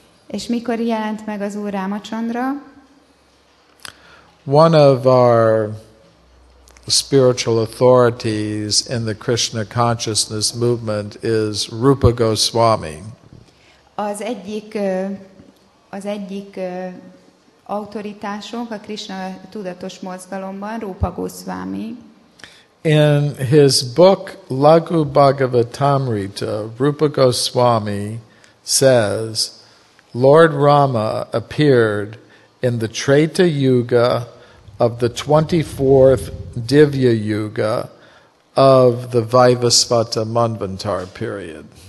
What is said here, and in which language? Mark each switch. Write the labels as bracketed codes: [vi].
[hu] És mikor jelent meg az Úr Ramachandra? [en] One of our spiritual authorities in the Krishna consciousness movement is Rupa Goswami. [hu] Az egyik autoritásunk a Krishna tudatos mozgalomban Rupa Goswami. [en] In his book Laghu Bhagavatamrita, Rupa Goswami says, Lord Rama appeared in the Treta Yuga of the 24th Divya Yuga of the Vaivasvata Manvantara period.